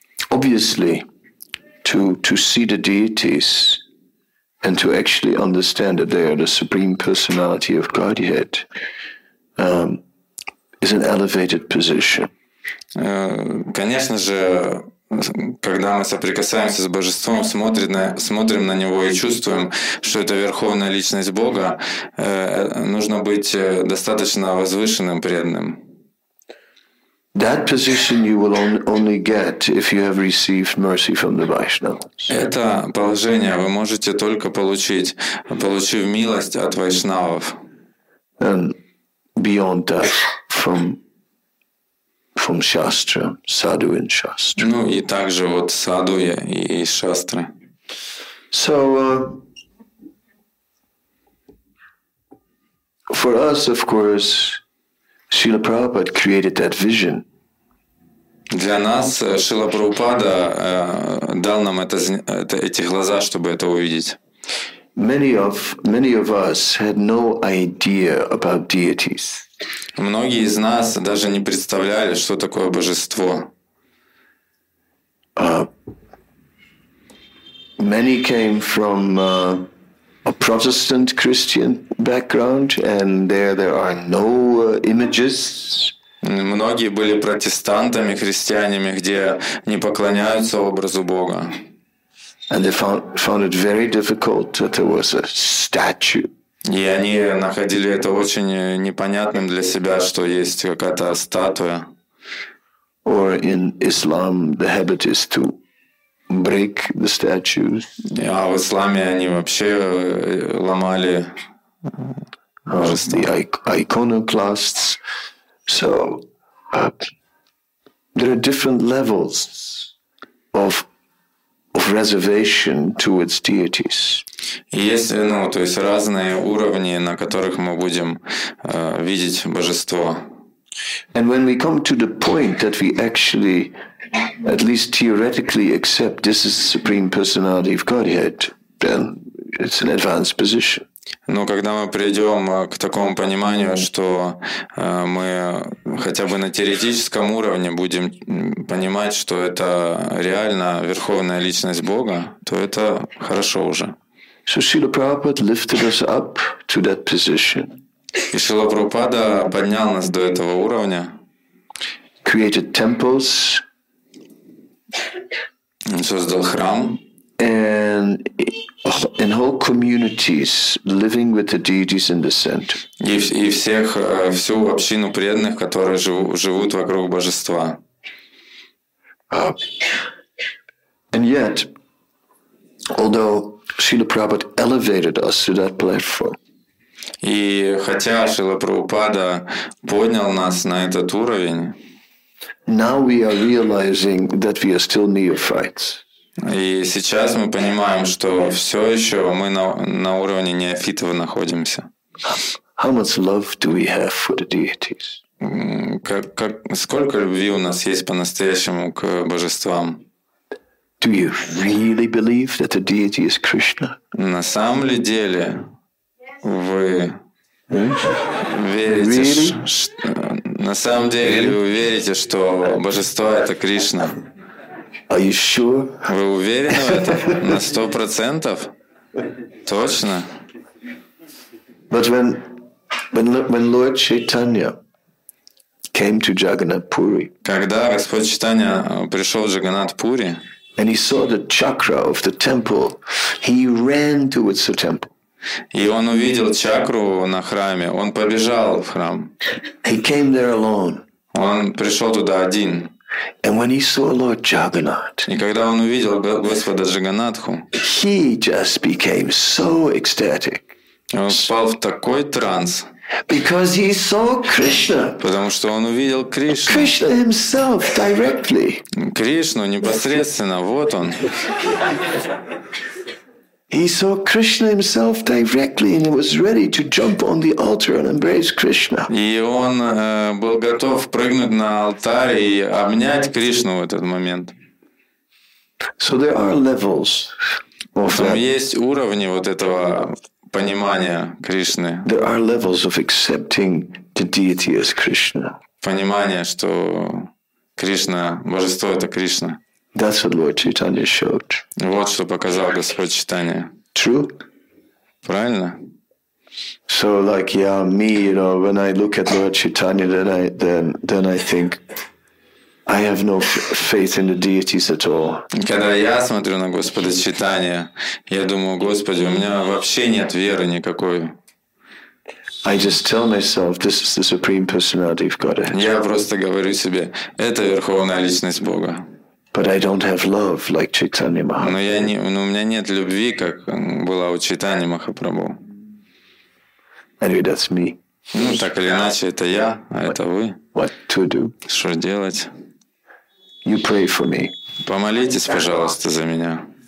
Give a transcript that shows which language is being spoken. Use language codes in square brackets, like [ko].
[en] Obviously, to see the deities and to actually understand that they are the Supreme Personality of Godhead is an elevated position. [ru] Конечно же, когда мы соприкасаемся с Божеством, смотрим на Него и чувствуем, что это Верховная Личность Бога, нужно быть достаточно возвышенным преданным. [en] That position you will only get if you have received mercy from the Vaishnavas. [ru] Это положение вы можете только получив милость от Вайшнавов. [en] And beyond that, from Shastra, Sadhu and Shastra. [ru] Ну и также вот Sadhu и Shastra. [en] So for us, of course, Srila Prabhupada created that vision. [ru] Для нас Шрила Прабхупада дал нам эти глаза, чтобы это увидеть. [en] many of us had no idea about deities. [ru] Многие из нас даже не представляли, что такое божество. [en] Many came from a Protestant Christian background, and there are no images. [ru] Многие были протестантами, христианами, где не поклоняются образу Бога. [en] And they found it very difficult that there was a statue. [ru] И они находили это очень непонятным для себя, что есть какая-то статуя. [en] Or in Islam, the habit is to break the statues. [ru] А в исламе они вообще ломали [en] the iconoclasts. So there are different levels of reservation towards deities. [ru] Есть, ну, то есть разные уровни, на которых мы будем видеть божество. [en] And when we come to the point that we actually, at least theoretically, accept this is the Supreme Personality of Godhead, then it's an advanced position. [ru] Но когда мы придем к такому пониманию, что мы хотя бы на теоретическом уровне будем понимать, что это реально Верховная Личность Бога, то это хорошо уже. [en] So Srila Prabhupada lifted us up to that position. [ru] И Шрила Прабхупада поднял нас до этого уровня. [en] Created temples. [ru] Он создал храм. [en] And whole communities living with the deities in the center. [ru] И всех, всю общину преданных, которые живут вокруг божества. [en] And yet, although Srila Prabhupada elevated us to that platform. [ru] И хотя Шрила Прабхупада поднял нас на этот уровень, [en] now we are realizing that we are still neophytes. [ru] И сейчас мы понимаем, что все еще мы на уровне неофитов находимся. [en] How much love do we have for the deities? [ru] Сколько любви у нас есть по-настоящему к божествам? [en] Do you really believe that the deity is Krishna? [ru] На самом ли деле вы верите, [en] really? [ru] На самом деле [en] really? [ru] Вы верите, что божество это Кришна? [en] Are you sure? [ru] Вы уверены в этом? На 100%? Точно? [en] But when Lord Chaitanya came to Jagannath Puri, [ru] когда Господь Чайтанья пришел в Джаганнат Пури, [en] and he saw the chakra of the temple, he ran towards the temple. [ru] И он увидел чакру на храме, он побежал в храм. [en] He came there alone. [ru] Он пришел туда один. [en] And when he saw Lord Jagannath, [ru] и когда он увидел Господа Джаганатху, [en] he just became so ecstatic. [ru] Он впал в такой транс. [en] Because he saw Krishna. [ru] Потому что он увидел Кришну. [en] Krishna himself directly. [ru] Кришну непосредственно, вот он. [en] He saw Krishna himself directly, and he was ready to jump on the altar and embrace Krishna. [ru] И он был готов прыгнуть на алтарь и обнять Кришну в этот момент. [en] So there are levels. [ru] Там есть уровни вот этого понимания Кришны. [en] There are levels of accepting the deity as Krishna. [ru] Понимание, что Кришна, божество это Кришна. [en] That's what Lord Chaitanya showed. [ru] Вот что показал Господь Чайтанья. [en] True. [ru] Правильно. [en] So like yeah, me, you know, when I look at Lord Chaitanya, then I think I have no faith in the deities at all. [ru] Когда я смотрю на Господа Чайтанья, я думаю, Господи, у меня вообще нет веры никакой. [en] I just tell myself, this is the Supreme Personality of Godhead. [ru] Я просто говорю себе, это Верховная Личность Бога. [en] But I don't have love like Chaitanya Mahaprabhu. [ru] Но я не, но у меня нет любви, как была у Чайтаньи Махапрабху. [en] Anyway, that's me. [ru] Ну так или иначе, это я, а это вы. [en] What to do? [ru] Что делать? [en] You pray for me. [ru] Помолитесь, пожалуйста, за меня.